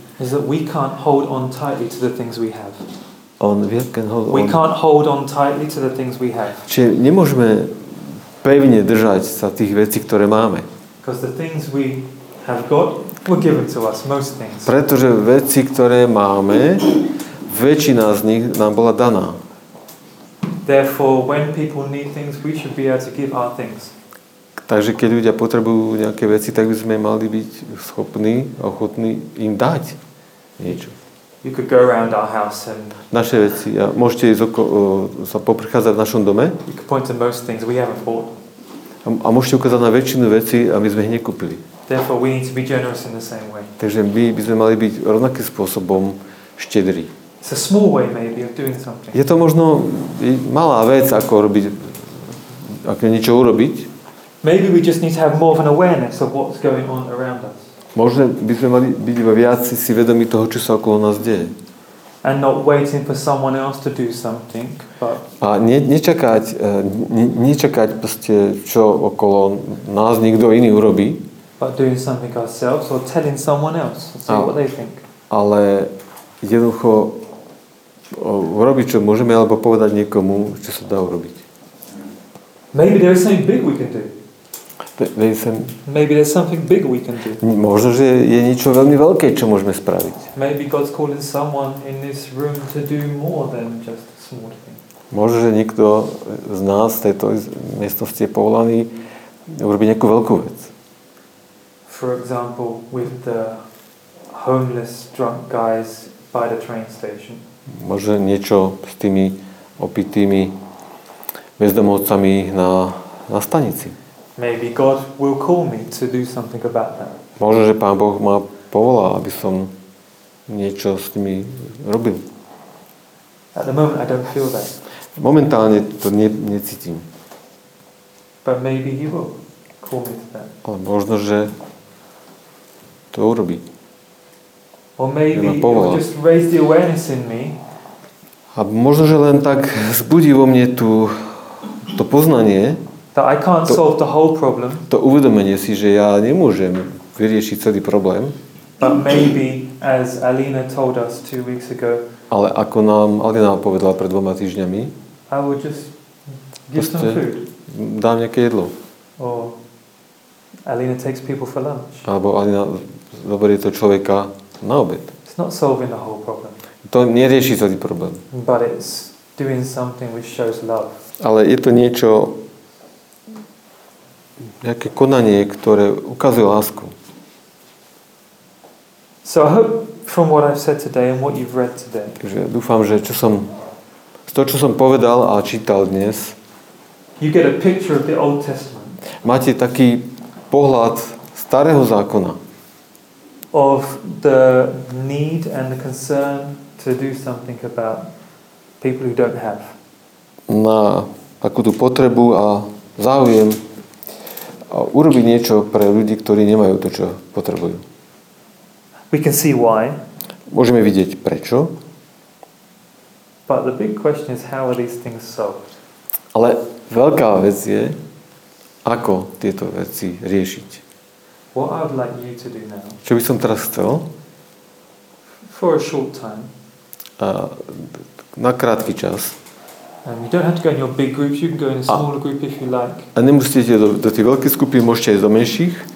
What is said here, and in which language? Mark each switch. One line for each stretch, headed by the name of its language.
English: Is that we can't hold on tightly to the things we have. On, we, can hold on. We can't hold on tightly to the things we have.
Slovak: Čiže nemôžeme pevne držať sa tých vecí, ktoré máme.
English: Because the things we have got were given to us, most things.
Slovak: Pretože veci, ktoré máme, väčšina z nich nám bola daná.
English: Therefore, when people need things, we should be able to give our things.
Slovak: Takže keď ľudia potrebujú nejaké veci, tak by sme mali byť schopní, ochotní im dať niečo.
English: You could go around our house and
Slovak: naše veci. A môžete ísť sa poprchádzať v našom dome.
English: You could point to most things we haven't bought.
Slovak: A môžete ukázať na väčšinu vecí, a my sme ich nekúpili.
English: Therefore, we need to be generous in the same way.
Slovak: Takže my by sme mali byť rovnakým spôsobom štedrí.
English: It's a small way maybe of doing something.
Slovak: Je to možno malá vec, ako robiť, ako niečo urobiť.
English: Maybe we just need to have more of an awareness of what's going on around us.
Slovak: Možno by sme mali byť viac si vedomi toho, čo sa okolo nás deje.
English: And not waiting for someone else to do something, but
Slovak: a nečakať proste, čo okolo nás niekto iný urobí.
English: But doing something ourselves or telling someone else to see what they think.
Slovak: Ale jednoducho urobiť, čo môžeme, alebo povedať niekomu, čo sa dá urobiť.
English: Maybe there is something big we can do. Maybe there's something big we can do.
Slovak: Možno, že je niečo veľmi veľké, čo môžeme spraviť.
English: Maybe God's calling someone in this room to do more than just a small thing.
Slovak: Možno, že niekto z nás v tejto miestnosti je povolaný urobiť nejakú veľkú vec.
English: For example, with the homeless drunk guys by the train station.
Slovak: Možno niečo s tými opitými bezdomovcami na stanici.
English: Maybe God will call me to do something about that.
Slovak: Možno, že Pán Boh ma povolá, aby som niečo s nimi robil.
English: At the moment I don't feel that.
Slovak: Momentálne to necítim.
English: But maybe he will call me to that.
Slovak: Ale možno, že to urobí.
English: Or maybe he'll just raise the awareness in me.
Slovak: A možno, že len tak zbudí vo mne tú, to poznanie,
English: that I can't solve the whole problem.
Slovak: To uvedomenie si, že ja nemôžem vyriešiť celý problém.
English: But maybe as Alina told us 2 weeks ago.
Slovak: Ale ako nám Alina povedala pred 2 týždňami.
English: I would just give some food.
Slovak: Dám nejaké jedlo.
English: Or Alina takes people for lunch.
Slovak: Alebo Alina zoberie to človeka na obed.
English: It's not solving the whole problem.
Slovak: To nerieši celý problém.
English: But it's doing something which shows love.
Slovak: Ale je to niečo, nejaké konanie, ktoré ukazuje lásku.
English: So I hope from what I've said today and what you've read today.
Slovak: Takže dúfam, že čo som z to, čo som povedal a čítal dnes,
English: you get a picture of the Old Testament.
Slovak: Máte taký pohľad starého zákona.
English: Of the need and the concern to do something about people who don't have.
Slovak: Na takú tú potrebu a záujem urobiť niečo pre ľudí, ktorí nemajú to, čo potrebujú.
English: We can see why.
Slovak: Môžeme vidieť prečo.
English: But the big question is how are these things solved?
Slovak: Ale veľká vec je, ako tieto veci riešiť.
English: What I'd like you to do now.
Slovak: Čo by som teraz chcel?
English: For a short time.
Slovak: Na krátky čas.
English: You don't have to go in your big groups, you can go in a smaller group if you like.
Slovak: A nemusíte ísť do tých veľkých skupín, môžete ísť do menších.